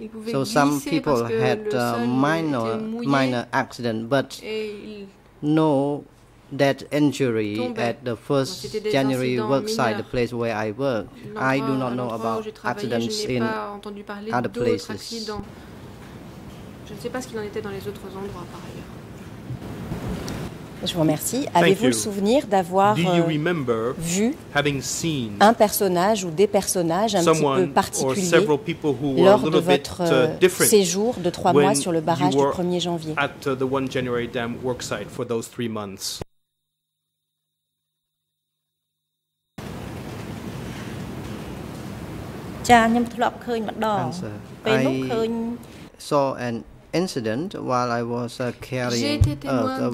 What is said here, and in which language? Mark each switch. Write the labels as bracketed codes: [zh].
[en] So some people had minor accident, but no that injury at the first January worksite, the place where I work. I do not know about accidents in other places. [fr] Je ne sais pas ce qu'il en était dans les autres endroits par ailleurs. Je vous remercie. Avez-vous le souvenir d'avoir vu un personnage ou des personnages un petit peu particuliers lors de votre séjour de 3 mois sur le barrage du 1er janvier? [en] At the 1 January dam worksite for those 3 months. I saw an incident while I was carrying earth.